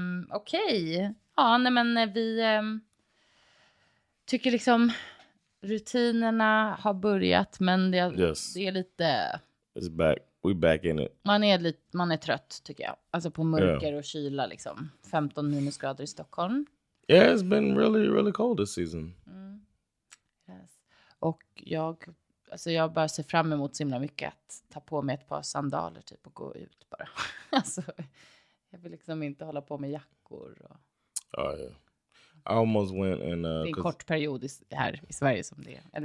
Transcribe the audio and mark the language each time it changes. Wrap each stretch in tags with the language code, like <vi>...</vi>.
<sv>Okej. Okay. Ja, nej, men vi tycker liksom rutinerna har börjat, men det,</sv> <en>yes,</en> <sv>det är lite...</sv> <en>It's back. We're back in it.</en> <sv>Man är trött, tycker jag. Alltså på mörker, yeah, och kyla liksom. 15 minusgrader i Stockholm.</sv> <en>Yeah, it's been really, really cold this season. Mm. Yes.</en> <sv>Och jag, alltså jag bara ser fram emot så himla mycket att ta på mig ett par sandaler typ och gå ut bara. Alltså, jag vill liksom inte hålla på med jackor. Och...</sv> <en>Oh, yeah. I almost went in...</en> <sv>det är en kort period här i Sverige som det är.</sv>